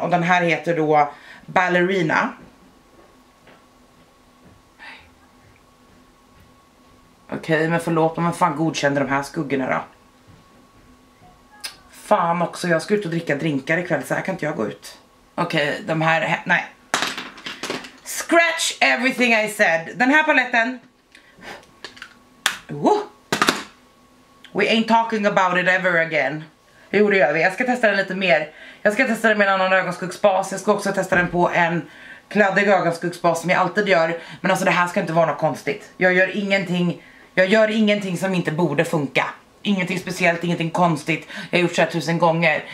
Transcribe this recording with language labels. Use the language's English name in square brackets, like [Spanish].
[Swedish] Och den här heter då Ballerina. Okej, okay, men förlåt, men fan godkände de här skuggorna då? Fan också, jag ska ut och dricka drinkar ikväll, så här kan inte jag gå ut. Okej, okay, de här, nej. [English] Scratch everything I said. [Swedish] Den här paletten. [English] We ain't talking about it ever again. [Swedish] Jo, det gör vi. Jag ska testa den lite mer. Jag ska testa den med en annan ögonskuggsbas. Jag ska också testa den på en kladdiga ögonskuggsbas som jag alltid gör. Men alltså det här ska inte vara något konstigt. Jag gör ingenting som inte borde funka. Ingenting speciellt, ingenting konstigt. Jag har gjort så här 1000 gånger.